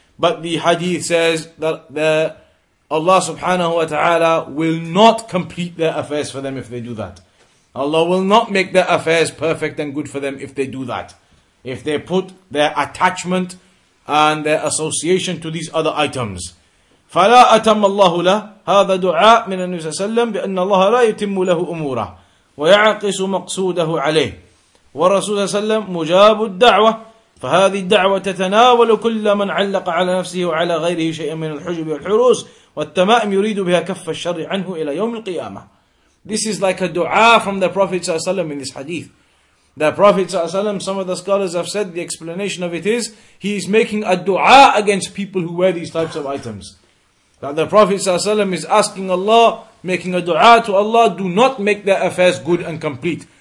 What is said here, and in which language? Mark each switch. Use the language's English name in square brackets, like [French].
[English] But the hadith says that Allah subhanahu wa ta'ala will not complete their affairs for them if they do that. Allah will not make their affairs perfect and good for them if they do that. If they put their attachment and their association to these other items. [Arabic] فَلَا أَتَمَّ اللَّهُ لَهُ هَذَا دُعَاءٌ مِنَ النَّبِيِّ صَلَّى اللَّهُ عَلَيْهِ وَسَلَّمَ بِأَنَّ اللَّهَ لَا يُتِمُّ لَهُ أُمُورَهُ ويعقص مقصوده عليه ورسوله صلى الله عليه وسلم مجاب الدعوة فهذه الدعوة تتناول كل من علق على نفسه وعلى غيره شيئا من الحجب والحروس والتمائم يريد بها كف الشر عنه إلى يوم القيامة. [English] This is like a dua from the Prophet [Arabic] صلى الله عليه وسلم [English] in this hadith. The Prophet [Arabic] صلى الله عليه وسلم, [English] some of the scholars have said the explanation of it is, he is making a dua against people who wear these types of items. That the Prophet [Arabic] صلى الله عليه وسلم [English] is asking Allah, making a dua to Allah, do not make their affairs good and complete.